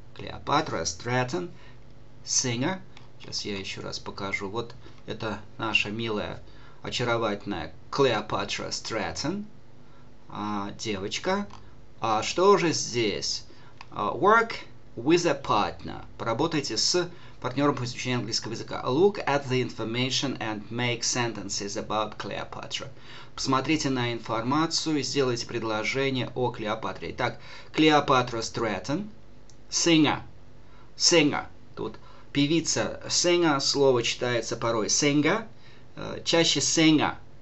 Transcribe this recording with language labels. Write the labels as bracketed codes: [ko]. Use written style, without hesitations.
[ru] Cleopatra Stratton, singer. Сейчас я еще раз покажу. Вот это наша милая, очаровательная Cleopatra Stratton, девочка. А что же здесь? [en] Work with a partner. [ru] Поработайте с партнером по изучению английского языка. [en] Look at the information and make sentences about Cleopatra. [ru] Посмотрите на информацию и сделайте предложение о Клеопатре. Итак, Cleopatra Stratton, singer. Singer. Тут певица singer, слово читается порой singer, чаще singer.